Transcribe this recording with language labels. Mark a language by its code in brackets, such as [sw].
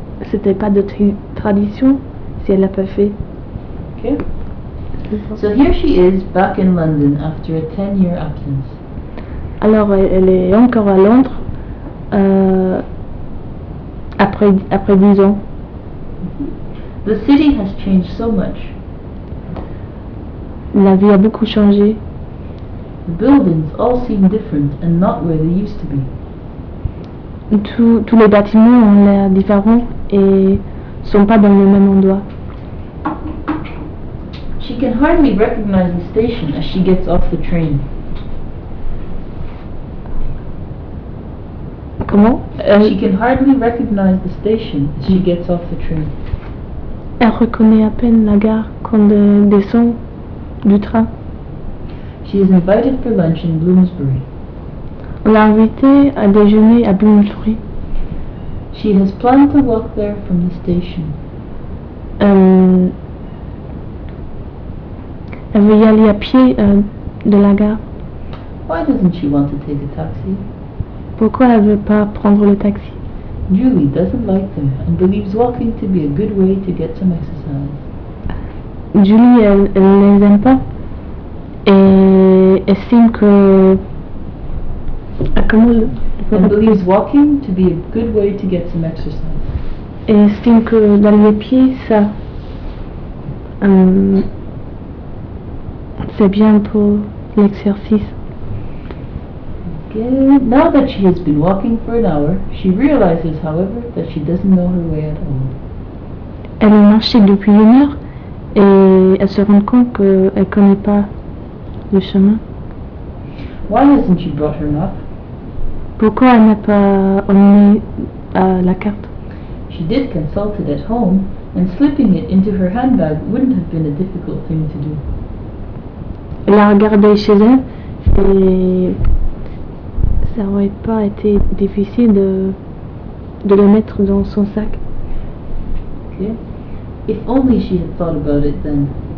[fr] C'était pas de tradition si elle l'a pas fait. Okay. [en] So here she is back in London after a 10-year absence. [fr] Alors elle est encore à Londres après 10 ans. [en] The city has changed so much. [fr] La vie a beaucoup changé. [en] The buildings all seem different and not where they used to be. [fr] Tous les bâtiments ont l'air différents et sont pas dans le même endroit. [en] She can hardly recognize the station as she gets off the train. [fr] Comment? [en] She can hardly recognize the station as she gets off the train. [fr] Elle reconnaît à peine la gare quand elle descend du train. [en] She is invited for lunch in Bloomsbury. [fr] On l'a invitée à déjeuner à Bloomsbury. [en] She has planned to walk there from the station. [fr] Elle veut y aller à pied de la gare. [en] Why doesn't she want to take a taxi? [fr] Pourquoi elle veut pas prendre le taxi? [en] Julie doesn't like them and believes walking to be a good way to get some exercise. [fr] Julie, elle les aime pas. Et estime que [en] and believes walking to be a good way to get some exercise. [fr] Et estime que d'aller à pied, ça, c'est bien pour l'exercice. Okay. [en] Now that she has been walking for an hour, she realizes, however, that she doesn't know her way at all. [fr] Elle a marché depuis 1 heure et elle se rend compte qu'elle ne connaît pas le chemin. [en] Why hasn't she brought her map? [fr] Pourquoi elle n'a pas emmené la carte? [en] She did consult it at home, and slipping it into her handbag wouldn't have been a difficult thing to do. [fr] Elle a regardé chez elle et ça aurait pas été difficile de le mettre dans son sac. Okay. [en] If only she had thought about it then.